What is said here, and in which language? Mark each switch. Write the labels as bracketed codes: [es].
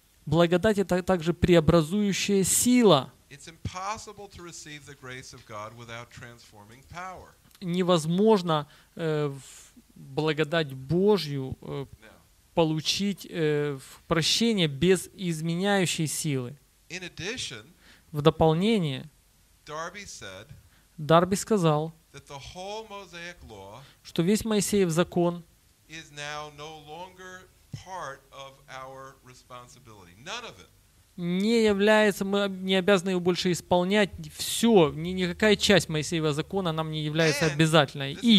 [ru] Благодать — это также преобразующая сила. [en] It's impossible to receive the grace of God without transforming power. [ru] Невозможно благодать Божью получить прощение без изменяющей силы. [en] In addition, [ru] в дополнение, Дарби сказал, [en] that the whole Mosaic law, [ru] что весь Моисеев закон, [en] is now no longer part of our responsibility. None of it. [ru] Не является, мы не обязаны его больше исполнять, все, никакая часть Моисеева закона нам не является обязательной.